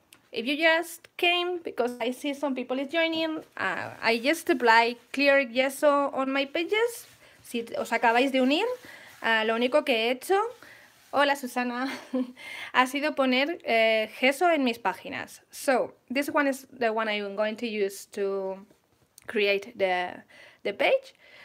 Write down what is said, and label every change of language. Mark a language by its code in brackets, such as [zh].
[en] If you just came, because I see some people is joining, I just apply clear gesso on my pages. [es] Si os acabáis de unir, lo único que he hecho... Hola, Susana. Ha sido poner gesso en mis páginas. [en] So, this one is the one I'm going to use to create the page.